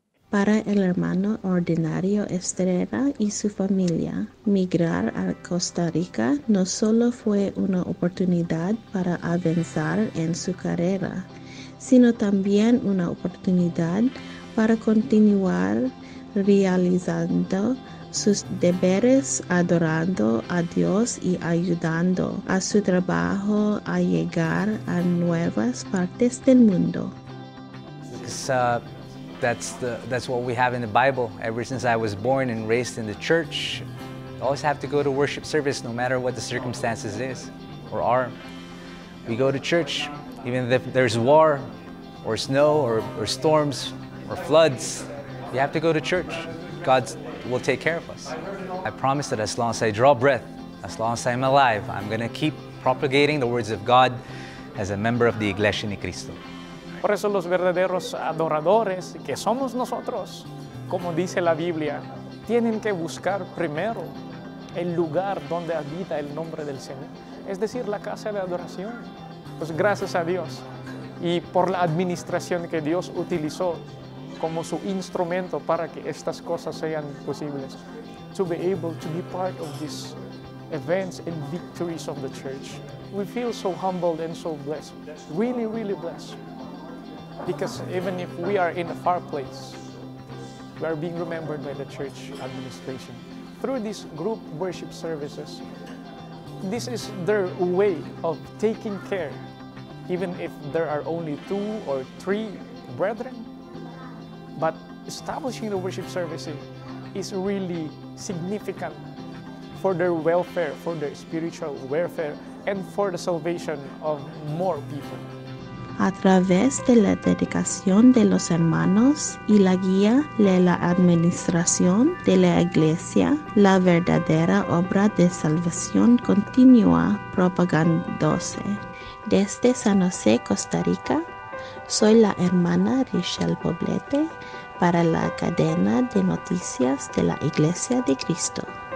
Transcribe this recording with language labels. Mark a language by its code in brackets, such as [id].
[es] Para el hermano ordinario Estrella y su familia, migrar a Costa Rica no solo fue una oportunidad para avanzar en su carrera, sino también una oportunidad para continuar realizando sus deberes, adorando a Dios y ayudando a su trabajo a llegar a nuevas partes del mundo. [en] That's what we have in the Bible. Ever since I was born and raised in the church, I always have to go to worship service no matter what the circumstances is or are. We go to church even if there's war or snow or storms or floods. You have to go to church. God will take care of us. I promise that as long as I draw breath, as long as I'm alive, I'm going to keep propagating the words of God as a member of the Iglesia de Cristo. [es] Por eso los verdaderos adoradores que somos nosotros, como dice la Biblia, tienen que buscar primero el lugar donde habita el nombre del Señor, es decir, la casa de adoración. Pues gracias a Dios y por la administración que Dios utilizó como su instrumento para que estas cosas sean posibles. [en] To be able to be part of these events and victories of the church. We feel so humbled and so blessed, really, really blessed. Because even if we are in a far place, we are being remembered by the church administration. Through these group worship services, this is their way of taking care. Even if there are only two or three brethren, but establishing a worship service is really significant for their welfare, for their spiritual welfare, and for the salvation of more people. [es] A través de la dedicación de los hermanos y la guía de la administración de la iglesia, la verdadera obra de salvación continúa propagándose. Desde San José, Costa Rica, soy la hermana Richelle Poblete para la cadena de noticias de la Iglesia de Cristo.